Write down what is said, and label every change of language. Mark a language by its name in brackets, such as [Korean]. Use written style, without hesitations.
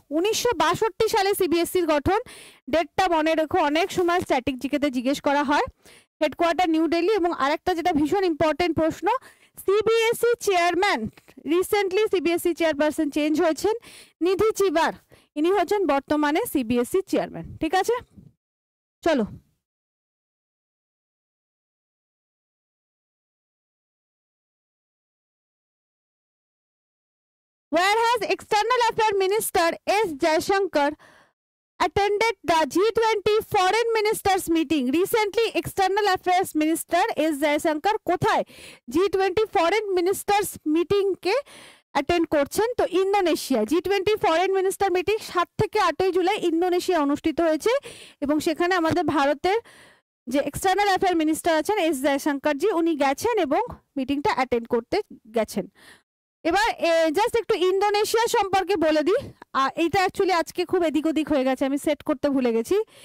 [Bangla] 1962 সালে সিবিএসসির গঠন, ডেটটা মনে রেখো, অনেক সময় স্ট্র্যাটেজিকেতে জিজ্ঞেস করা হয়, হেডকোয়ার্টার নিউ দিল্লি। এবং আরেকটা যেটা ভীষণ ইম্পর্টেন্ট প্রশ্ন, CBSE chairman recently CBSE chairperson change হয়েছেন, নিধি চিবার, ইনি হচ্ছেন বর্তমানে সিবিএসসি চেয়ারম্যান। ঠিক আছে, চলো [English] Where has External Affairs Minister S. Jaishankar attended the G20 Foreign Ministers Meeting? Recently, External Affairs Minister S. Jaishankar [Bangla] কোথায় [English] G20 Foreign Ministers Meeting [Bangla] কে attend করছেন? তো Indonesia, G20 Foreign Minister Meeting 7 থেকে 8 July Indonesia অনুষ্ঠিত হয়েছে, এবং সেখানে আমাদের ভারতের যে এক্সটার্নাল অ্যাফেয়ার মিনিস্টার আছেন S. Jaishankar জি, উনি গেছেন এবং মিটিংটা অ্যাটেন্ড করতে গেছেন। এবার জাস্ট একটু ইন্দোনেশিয়া সম্পর্কে বলে দিই, এইটা অ্যাকচুয়ালি আজকে খুব এদিক ওদিক হয়ে গেছে, আমি সেট করতে ভুলে গেছি।